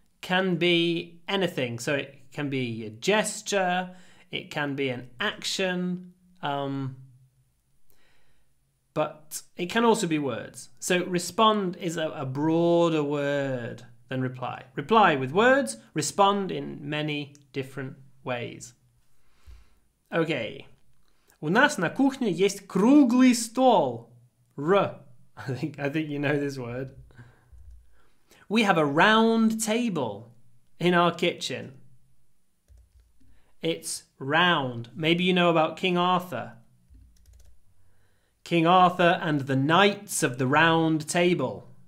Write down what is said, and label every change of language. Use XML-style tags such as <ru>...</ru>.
<en>can be anything. So it can be a gesture, it can be an action, but it can also be words. So respond is a broader word than reply. Reply with words, respond in many different ways. Okay.</en> <ru>У нас на кухне есть круглый стол.</ru> <en>Р. I think you know this word. We have a round table in our kitchen. It's round. Maybe you know about King Arthur. King Arthur and the Knights of the Round Table.</en>